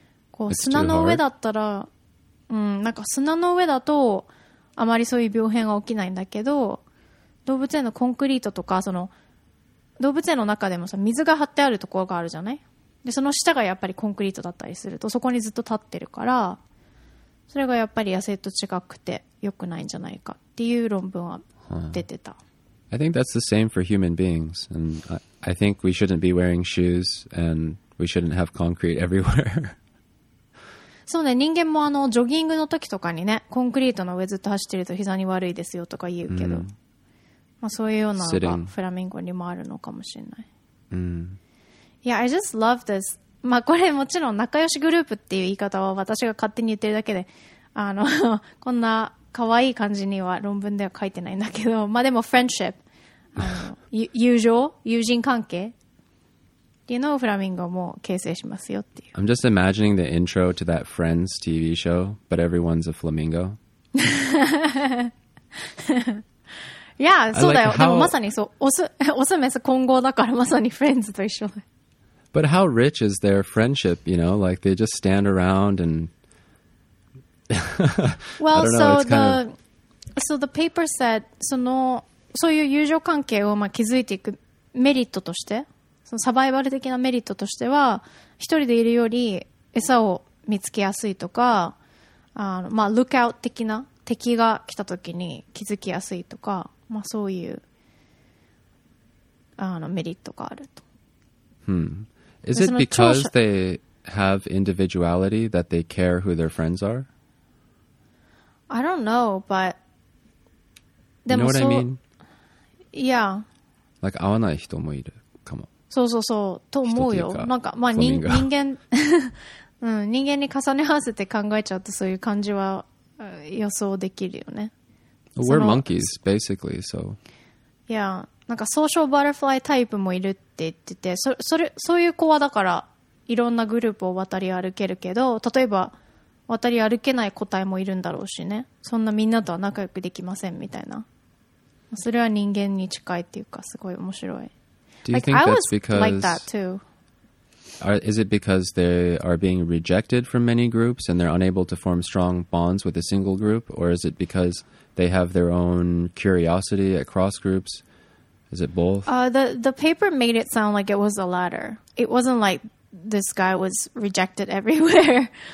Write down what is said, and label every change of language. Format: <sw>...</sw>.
<ja>こう砂の上だったら、うん、なんか砂の上だとあまりそういう病変が起きないんだけど、動物園のコンクリートとか、その動物園の中でもさ、水が張ってあるところがあるじゃない。でその下がやっぱりコンクリートだったりすると、そこにずっと立ってるから、それがやっぱり野生と違くて良くないんじゃないかっていう論文は出てた。</ja> <en>I think that's the same for human beings, and I think we shouldn't be wearing shoes and we shouldn't have concrete everywhere.</en> <ja>そうね、人間もあのジョギングの時とかにね、コンクリートの上ずっと走ってると膝に悪いですよとか言うけど、まあそういうようなのがフラミンゴにもあるのかもしれない。</ja> <en>Yeah, I just love this.</en> <ja>まあこれもちろん仲良しグループっていう言い方は私が勝手に言ってるだけで、あのこんな可愛い感じには論文では書いてないんだけど、まあでも friendship、友情、友人関係っていうのをフラミンゴも形成しますよっていう。</ja> <en>I'm just imagining the intro to that Friends TV show, but everyone's a flamingo.</en> <ja>yeah, そうだよ。でもまさにそう、オスメス混合だからまさに Friends と一緒だ。</ja> <en>But how rich is their friendship, you know? Like, they just stand around and... well, I don't know, so, it's kind of... so the paper said,</en> <ja>そういう友情関係をまあ築いていくメリットとして、そのサバイバル的なメリットとしては、一人でいるより餌を見つけやすいとか、まあ、look out 的な敵が来た時に気づきやすいとか、まあ、そういうメリットがあると。 Hmm.</ja> <en>Is it because they have individuality that they care who their friends are? I don't know, but... You know what I mean? Yeah.</en> <ja>Like, 会わない人もいるかも。そうそうそう、と思うよ。なんか、まあ、人間、うん、人間に重ね合わせて考えちゃうと、そういう感じは予想できるよね。</ja> <en>We're monkeys, basically, so... Yeah.</en> <ja>なんかソーシャルバタフライタイプもいるって言ってて、そういう子はだからいろんなグループを渡り歩けるけど、例えば渡り歩けない個体もいるんだろうしね、そんなみんなとは仲良くできませんみたいな、それは人間に近いっていうか、すごい面白い。</ja> <en>Do you think like, that's because like that too? Is it because they are being rejected from many groups and they're unable to form strong bonds with a single group, or is it because they have their own curiosity at cross groups? Is it both? The paper made it sound like it was the latter. It wasn't like this guy was rejected everywhere.</en>